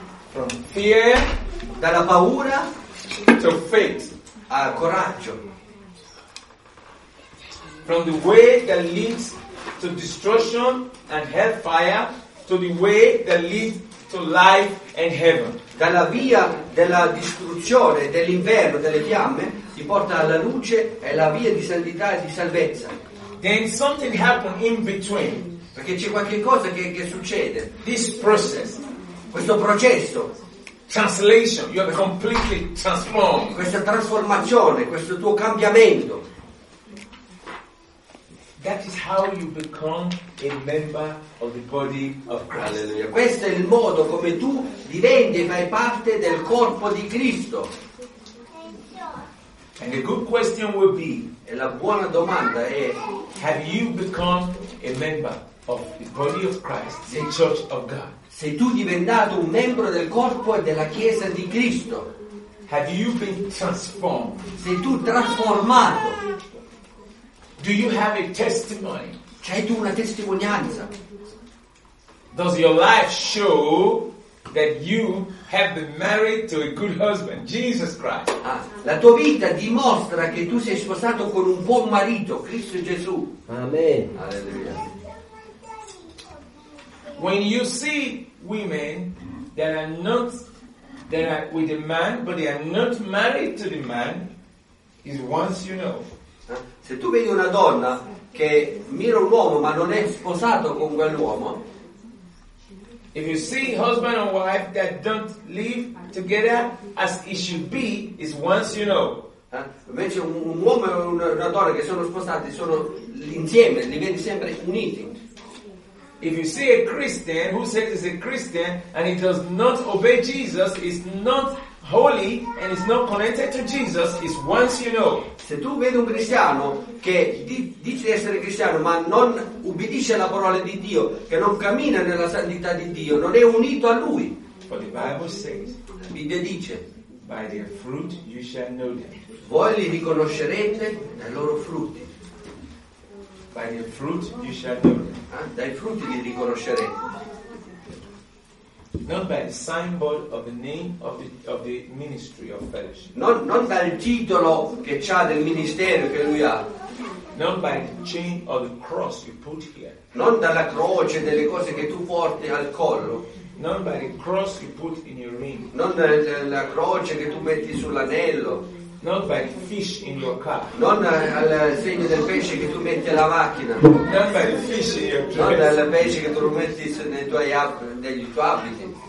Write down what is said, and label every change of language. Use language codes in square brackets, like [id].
[en] From fear. [it] Dalla paura. [en] To faith. [it] Al coraggio. [en] From the way that leads to destruction and hellfire, to the way that leads to life and heaven. [it] Dalla via della distruzione, dell'inverno, delle fiamme, ti porta alla luce e la via di santità e di salvezza. [en] Then something happens in between. [it] Perché c'è qualche cosa che succede. [en] This process. [it] Questo processo. [en] Translation. You are completely transformed. [it] Questa trasformazione, questo tuo cambiamento. [en] That is how you become a member of the body of Christ. Alleluia. [it] Questo è il modo come tu diventi e fai parte del corpo di Cristo. [en] And the good question will be, [it] e la buona domanda è, [en] have you become a member of the body of Christ, the church of God? [it] Sei tu diventato un membro del corpo e della Chiesa di Cristo? [en] Have you been transformed? [it] Sei tu trasformato? [en] Do you have a testimony? [it] C'hai tu una testimonianza? [en] Does your life show that you have been married to a good husband, Jesus Christ? [it] Ah, la tua vita dimostra che tu sei sposato con un buon marito, Cristo Gesù. Amen. Alleluia. [en] When you see women that are with a man, but they are not married to the man, is once you know. [it] Se tu vedi una donna che mira un uomo ma non è sposato con quell'uomo, [en] if you see husband and wife that don't live together as it should be, is once you know. [it] Invece un uomo e una donna che sono sposati sono insieme, li vedi sempre uniti. [en] If you see a Christian who says he's a Christian and he does not obey Jesus, is not holy and is not connected to Jesus, is once you know. [it] Se tu vedi un cristiano che dice essere cristiano ma non ubbidisce alla parola di Dio, che non cammina nella santità di Dio, non è unito a lui. [en] But the Bible says, [it] la Bibbia dice, [en] by their fruit you shall know them. [it] Voi li riconoscerete dai loro frutti. [en] By the fruit you shall know. [it] Dai frutti li riconoscerete. [en] Not by the symbol of the name of the ministry of fellowship. [it] Non dal titolo che c'ha del ministero che lui ha. [en] Not by the chain of the cross you put here. [it] Non dalla croce delle cose che tu porti al collo. [en] Not by the cross you put in your ring. [it] Non dalla croce che tu metti sull'anello. [en] Not by the fish in your car. [it] Non al segno del pesce che tu metti alla macchina. [en] Not by the fish in your dress. [it] Non dal pesce che tu metti nei tuoi negli tuoi abiti.